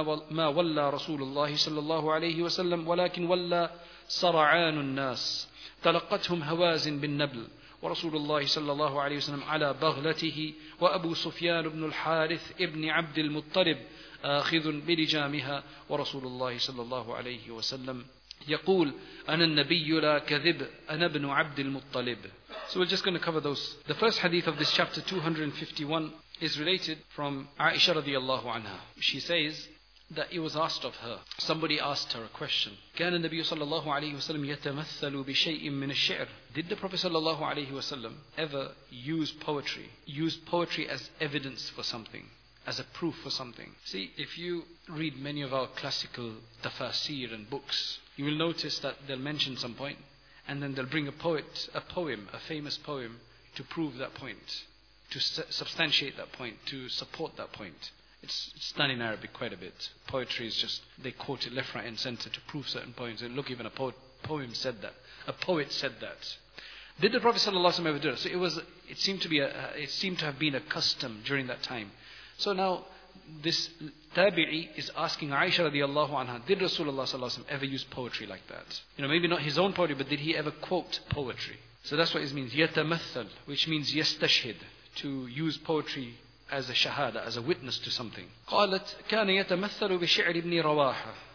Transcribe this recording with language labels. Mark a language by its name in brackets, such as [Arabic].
[Arabic] ما ولى رسول الله صلى الله عليه وسلم ولكن ولى سرعان الناس تلقتهم هوازن بالنبل ورسول الله صلى الله عليه وسلم على بغلته وأبو سفيان بن الحارث ابن عبد المطلب آخذ بلجامها ورسول الله صلى الله عليه وسلم يقول أنا النبي لا كذب أنا ابن عبد المطلب. [English] So we're just going to cover those. The first hadith of this chapter 251 is related from [Arabic] عائشة رضي الله عنها. [English] She says that it was asked of her. Somebody asked her a question. [Arabic] كان النبي صلى الله عليه وسلم يتمثل بشيء من الشعر. [English] Did the Prophet [Arabic] صلى الله عليه وسلم [English] ever use poetry? Use poetry as evidence for something, as a proof for something. See, if you read many of our classical tafaseer and books, you will notice that they'll mention some point, and then they'll bring a poet, a poem, a famous poem, to prove that point, to substantiate that point, to support that point. It's done in Arabic quite a bit. Poetry is just, they quote it left, right and center to prove certain points. And look, even a poem said that. A poet said that. Did the Prophet ﷺ ever do it? So it seemed to have been a custom during that time. So now, this tabi'i is asking Aisha radiallahu anha, did Rasulullah ﷺ ever use poetry like that? You know, maybe not his own poetry, but did he ever quote poetry? So that's what it means. يتمثل, which means يستشهد, to use poetry as a shahada, as a witness to something. [Arabic] قالت كان يتمثل بشعر ابن رواحة.